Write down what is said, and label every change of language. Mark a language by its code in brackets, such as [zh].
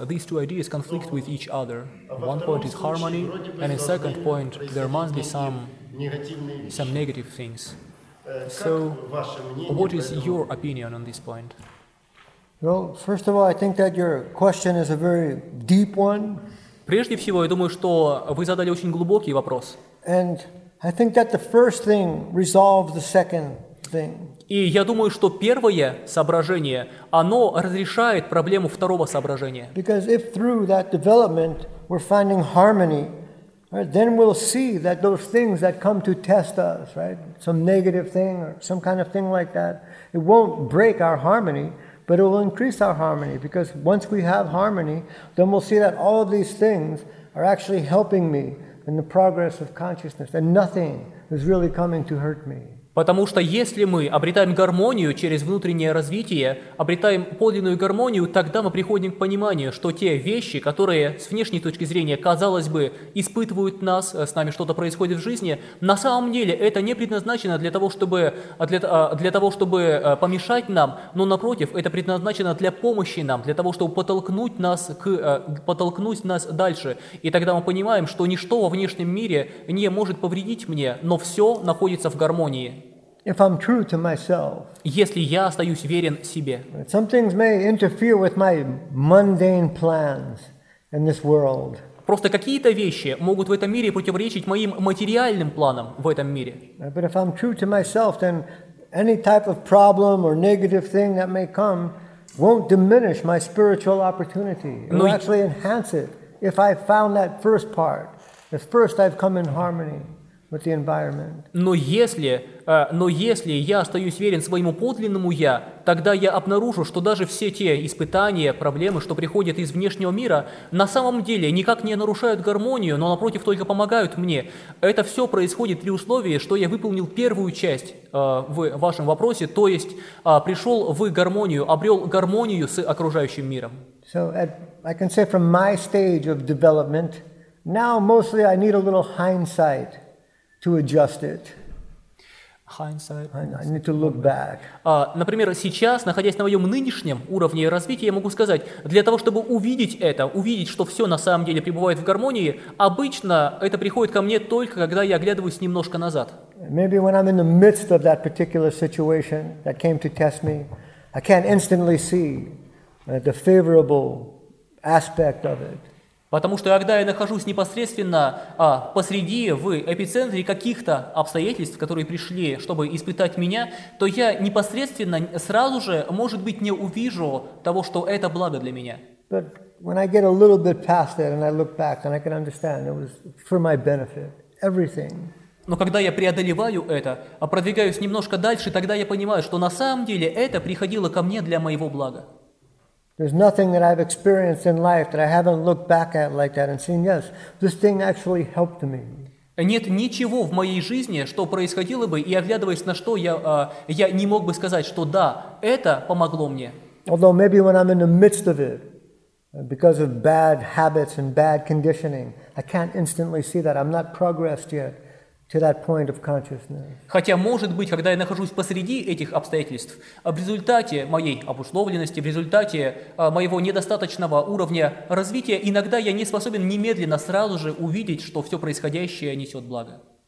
[en] These two ideas conflict with each other. One point is harmony, and a second point, there must be some negative things. So, what is your opinion on this point? Well, first of all, I think that your question is a very deep one. [ru] Прежде всего, я думаю, что вы задали очень глубокий вопрос. [en] And I think that the first thing resolves the second thing. [ru] И я думаю, что первое соображение, оно разрешает проблему второго соображения. [en] Because if through that development we're finding harmony, right, then we'll see that those things that come to test us, right, some negative thing or some kind of thing like that, it won't break our harmony. But it will increase our harmony, because once we have harmony, then we'll see that all of these things are actually helping me in the progress of consciousness, and nothing is really coming to hurt me. [ru] Потому что если мы обретаем гармонию через внутреннее развитие, обретаем подлинную гармонию, тогда мы приходим к пониманию, что те вещи, которые с внешней точки зрения, казалось бы, испытывают нас, с нами что-то происходит в жизни, на самом деле это не предназначено для того, чтобы помешать нам, но напротив, это предназначено для помощи нам, для того, чтобы подтолкнуть нас дальше. И тогда мы понимаем, что ничто во внешнем мире не может повредить мне, но все находится в гармонии. [en] If I'm true to myself, [ru] если я остаюсь верен себе, [en] some things may interfere with my mundane plans in this world. [ru] Просто какие-то вещи могут в этом мире противоречить моим материальным планам в этом мире. [en] But if I'm true to myself, then any type of problem or negative thing that may come won't diminish my spiritual opportunity. It will actually enhance it if I found that first part. If first I've come in harmony with the environment. [ru] Но если я остаюсь верен своему подлинному «я», тогда я обнаружу, что даже все те испытания, проблемы, что приходят из внешнего мира, на самом деле никак не нарушают гармонию, но напротив только помогают мне. Это все происходит при условии, что я выполнил первую часть в вашем вопросе, то есть пришел в гармонию, обрел гармонию с окружающим миром. [en] So I can say from my stage of development, now mostly I need a little hindsight to adjust it. Hindsight. I need to look back. [ru] Например, сейчас, находясь на моем нынешнем уровне развития, я могу сказать, для того, чтобы увидеть это, увидеть, что все на самом деле пребывает в гармонии, обычно это приходит ко мне только, когда я оглядываюсь немножко назад. [en] Maybe when I'm in the midst of that particular situation that came to test me, I can't instantly see the favorable aspect of it. [ru] Потому что когда я нахожусь непосредственно посреди, в эпицентре каких-то обстоятельств, которые пришли, чтобы испытать меня, то я непосредственно сразу же, может быть, не увижу того, что это благо для меня. [en] But when I get a little bit past it and I look back, then I can understand it was for my benefit. Everything. [ru] Но когда я преодолеваю это, продвигаюсь немножко дальше, тогда я понимаю, что на самом деле это приходило ко мне для моего блага. [en] There's nothing that I've experienced in life that I haven't looked back at like that and seen, yes, this thing actually helped me. [ru] Нет ничего в моей жизни, что происходило бы, и оглядываясь на что, я не мог бы сказать, что да, это помогло мне. [en] Although maybe when I'm in the midst of it, because of bad habits and bad conditioning, I can't instantly see that. I'm not progressed yet to that point of consciousness. [ru] Хотя, может быть, когда я нахожусь посреди этих обстоятельств, в результате моей обусловленности, в результате моего недостаточного уровня развития, иногда я не способен немедленно сразу же увидеть, что все происходящее несет благо.